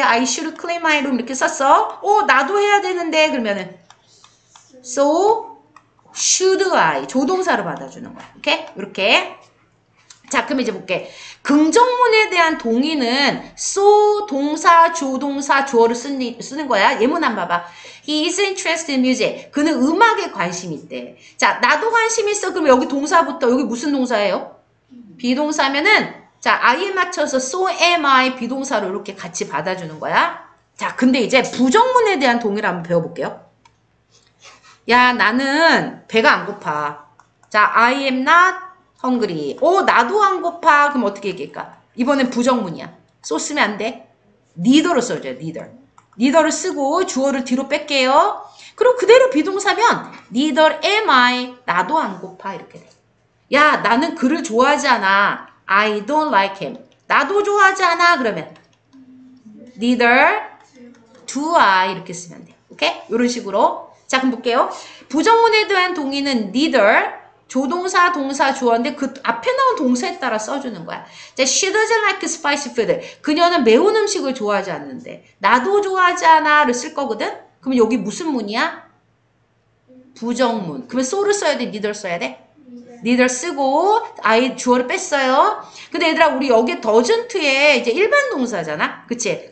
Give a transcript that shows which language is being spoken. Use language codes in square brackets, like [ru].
[en] I should clean my room [ko] 이렇게 썼어. 오, 나도 해야 되는데 그러면은 [en] So should I [ko] 조동사로 받아주는 거야. 오케이? 이렇게. 자, 그럼 이제 볼게. 긍정문에 대한 동의는 so 동사, 조동사, 주어를 쓰는 거야. 예문 한번 봐봐. [en] He is interested in music. [ko] 그는 음악에 관심 있대. 자, 나도 관심 있어. 그럼 여기 동사부터 여기 무슨 동사예요? 비동사면은 자, I에 맞춰서 [en] so am I [ko] 비동사로 이렇게 같이 받아주는 거야. 자, 근데 이제 부정문에 대한 동의를 한번 배워볼게요. 야, 나는 배가 안 고파. 자, [en] I am not hungry. [ko] 오, 나도 안 고파. 그럼 어떻게 얘기할까? 이번엔 부정문이야. 써 쓰면 안 돼. neither로 써줘요. [en] neither. [ko] neither를 쓰고 주어를 뒤로 뺄게요. 그럼 그대로 비동사면 [en] neither am I. [ko] 나도 안 고파. 이렇게 돼. 야, 나는 그를 좋아하지 않아. [en] I don't like him. [ko] 나도 좋아하지 않아. 그러면 [en] neither do I. [ko] 이렇게 쓰면 돼. 오케이? 이런 식으로. 자, 그럼 볼게요. 부정문에 대한 동의는 neither. 조동사, 동사, 주어인데 그 앞에 나온 동사에 따라 써주는 거야. [en] 자, she doesn't like spicy food. [ko] 그녀는 매운 음식을 좋아하지 않는데 나도 좋아하지 않아를 쓸 거거든? 그럼 여기 무슨 문이야? 부정문. 그러면 so를 써야 돼? neither 써야 돼? neither 쓰고 I 주어를 뺐어요. 근데 얘들아 우리 여기 doesn't에 이제 일반 동사잖아? 그치?